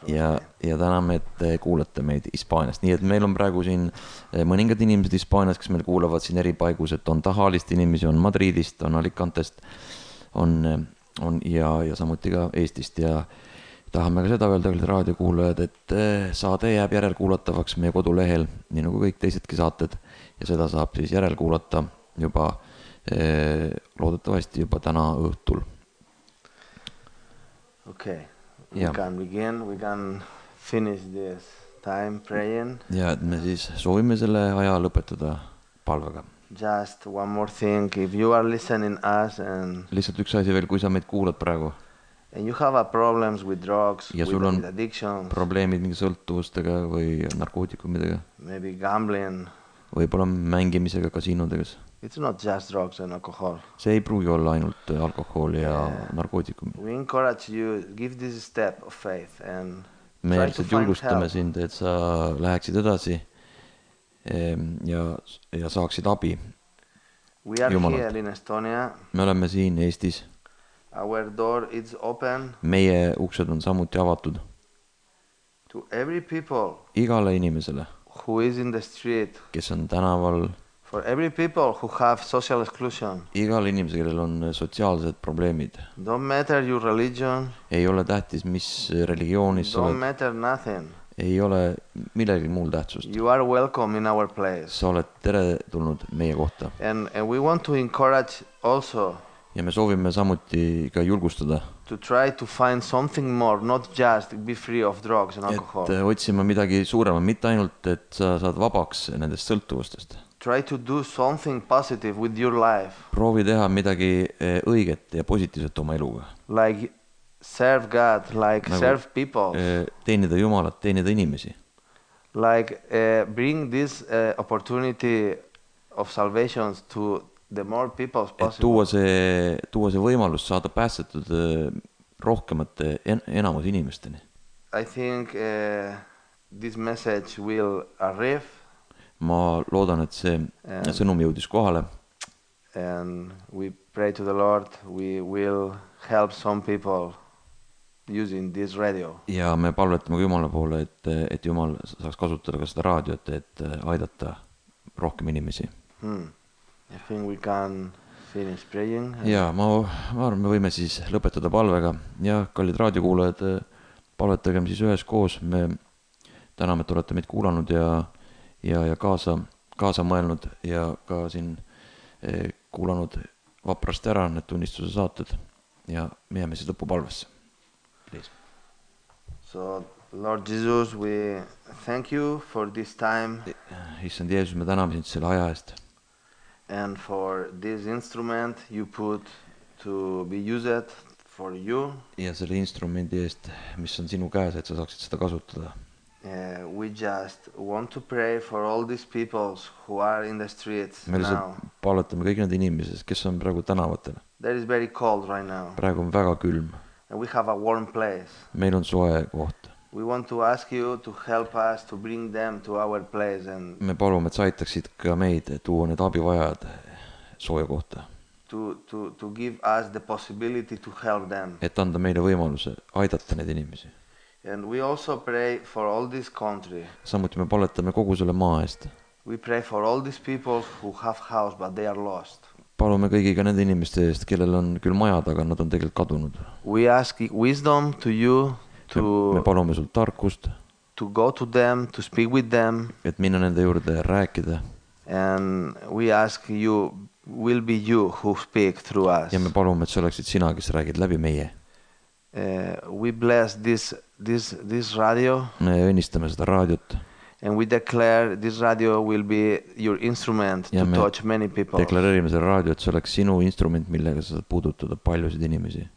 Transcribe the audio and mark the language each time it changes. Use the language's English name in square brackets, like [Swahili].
[Estonian] Ja, ja täname, et te kuulete meid Hispaaniast. Nii et meil on praegu siin mõningad inimesed Hispaaniast, kes meil kuulevad siin eri paigus, et on tahalist inimesi, on Madridist, on Alicantest, on, on ja, ja samuti ka Eestist. Ja tahame ka seda öelda, et raadio kuulevad, et saade jääb järel kuulatavaks meie kodulehel, nii nagu kõik teisedki saated. Ja seda saab siis järel kuulata juba loodetavasti juba täna õhtul. [English] Okay, we can begin, we can finish this time praying. [Estonian] Ja, et me siis soovime selle aja lõpetada palvega. [English] Just one more thing, if you are listening us and [Estonian] lihtsalt üks asja veel, kui sa meid kuulad praegu. [English] And you have a problems with drugs, [Estonian] ja sul on [English] with addictions. [Estonian] Probleemid mingi sõltuvustega või narkootikumidega. [English] Maybe gambling. [Estonian] Võib-olla mängimisega kasiinudegas. [English] It's not just drugs and alcohol. [Estonian] See ei pruugi olla ainult alkohol ja narkootikum. [English] We encourage you, give this step of faith and [Estonian] me [English] try to find help. [Estonian] Me julgustame sind, et sa läheksid edasi ja, ja saaksid abi. [English] We are Jumalat. Here in Estonia. [Estonian] Me oleme siin Eestis. [English] Our door is open. [Estonian] Meie uksed on samuti avatud. [English] To every people. [Estonian] Igale inimesele. [English] Who is in the street. [Estonian] Kes on tänaval. [English] For every people who have social exclusion. [Estonian] Igal inimesel, kellel on sotsiaalsed probleemid. [English] Don't matter your religion. [Estonian] Ei ole tähtis, mis religioonis sa oled. [English] Don't matter nothing. [Estonian] Ei ole millegi muul tähtsust. [English] You are welcome in our place. [Estonian] Sa oled tere tulnud meie kohta. [English] And we want to encourage also. [Estonian] Ja me soovime samuti ka julgustada. [English] To try to find something more, not just be free of drugs and alcohol. [Estonian] Et otsima midagi suuremat, mitte ainult, et sa saad vabaks nendest sõltuvustest. [English] Try to do something positive with your life. [Estonian] Proovi teha midagi õiget ja positiivset oma eluga. [English] Like serve God, like nagu serve people. [Estonian] Teenida Jumalat, teenida inimesi. [English] Like bring this opportunity of salvation to the more people possible. [Estonian] Et tuua see võimalus saada päästetud rohkemate enamus inimesteni. [English] I think this message will arrive. [Estonian] Ma loodan, et see and, sõnum jõudis kohale. [English] And we pray to the Lord, we will help some people using this radio. [Estonian] Ja me palvetame ka Jumala poole, et, et Jumal saaks kasutada ka seda raadiot, et aidata rohkem inimesi. [English] Hmm. I think we can finish praying. [Estonian] Ja ma arvan, me võime siis lõpetada palvega. Ja kallid raadiokuulajad, palvetagem siis ühes koos. Me täname, et olete meid kuulanud ja ja, ja kaasa, kaasa mõelnud ja ka siin kuulanud vaprast ära need tunnistuse saated ja me jääme siis lõpupalvesse. [English] Please. So, Lord Jesus, we thank you for this time. [Estonian] Issand Jeesus, me täname siin selle aja eest. [English] And for this instrument you put to be used for you. [Estonian] Ja selle instrumenti eest, mis on sinu käes, et sa saaksid seda kasutada. [English] We just want to pray for all these people who are in the streets [Estonian] me [English] now. [Estonian] Palutame kõik need inimesed, kes on praegu tänavatel. [English] There is very cold right now. [Estonian] Praegu on väga külm. [English] And we have a warm place. [Estonian] Meil on soe koht. [English] We want to ask you to help us to bring them to our place and [Estonian] me palume, et saitaksid ka meid tuua need abivajad soe kohta. [English] To give us the possibility to help them. [Estonian] Et anda meile võimaluse aidata need inimesi. [English] And we also pray for all this country. [Estonian] Samuti me palvetame kogu selle maa eest. [English] We pray for all these people who have house but they are lost. [Estonian] Palume kõigiga nende inimeste eest, kellel on küll majad, aga nad on tegelikult kadunud. [English] We ask wisdom to you to [Estonian] me palume sul tarkust. [English] To go to them, to speak with them. [Estonian] Et minna nende juurde ja rääkida. [English] And we ask you will be you who speak through us. [Estonian] Ja me palume, et sa oleksid sina, kes räägid läbi meie. [English] We bless this radio. [Estonian] Me õnnistame seda raadiot. [English] And we declare this radio will be your instrument [Estonian] ja [English] to touch many people. [Estonian] Deklareerime seda raadiot, et see oleks sinu instrument, millega sa saad puudutada paljusid inimesi.